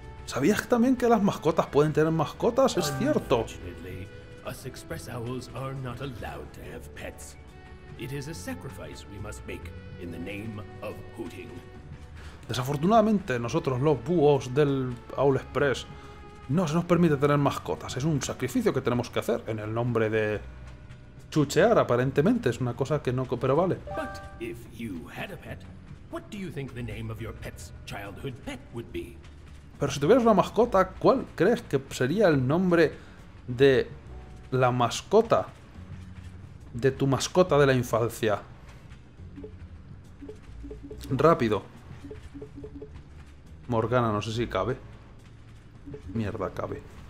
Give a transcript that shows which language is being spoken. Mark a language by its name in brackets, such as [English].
[Spanish] ¿Sabías también que las mascotas pueden tener mascotas? Es cierto. [English] Us express owls are not allowed to have pets. It is a sacrifice we must make in the name of Hooting. [Spanish] Desafortunadamente, nosotros los búhos del Owl Express no se nos permite tener mascotas. Es un sacrificio que tenemos que hacer en el nombre de chuchear, aparentemente es una cosa que no cooperó, vale. [English] But if you had a pet, what do you think the name of your pet's childhood pet would be? [Spanish] Pero si tuvieras una mascota, ¿cuál crees que sería el nombre de la mascota de tu mascota de la infancia? Rápido. Morgana, no sé si cabe. Mierda, cabe.